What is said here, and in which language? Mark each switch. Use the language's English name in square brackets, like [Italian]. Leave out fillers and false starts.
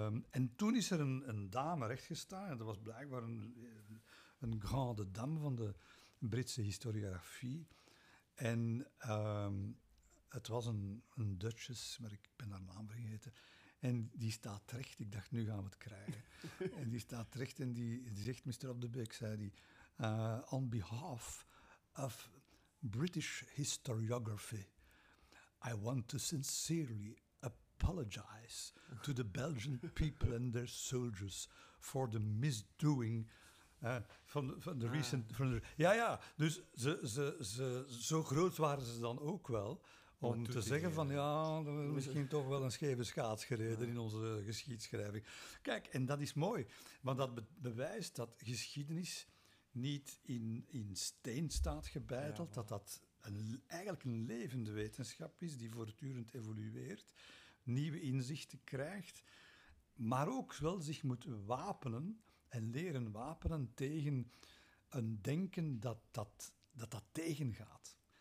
[Dutch] En toen is er een dame rechtgestaan en dat was blijkbaar een grande dame van de Britse historiografie. En het was een Duchess, maar ik ben haar naam vergeten. En die staat terecht. Ik dacht, nu gaan we het krijgen. En die staat terecht en die zegt, Mr. [English] Op de Beek, [Dutch] zei die, [English] on behalf of British historiography, I want to sincerely apologize to the Belgian people and their soldiers for the misdoing [Dutch] van de recent... Van de, ja, ja, dus ze, zo groot waren ze dan ook wel om te zeggen van, ja, er is misschien toch wel een scheve schaats gereden in onze geschiedschrijving. Kijk, en dat is mooi, want dat bewijst dat geschiedenis niet in steen staat gebeiteld, ja, dat eigenlijk een levende wetenschap is die voortdurend evolueert, nieuwe inzichten krijgt, maar ook wel zich moet wapenen en leren wapenen tegen een denken dat tegengaat.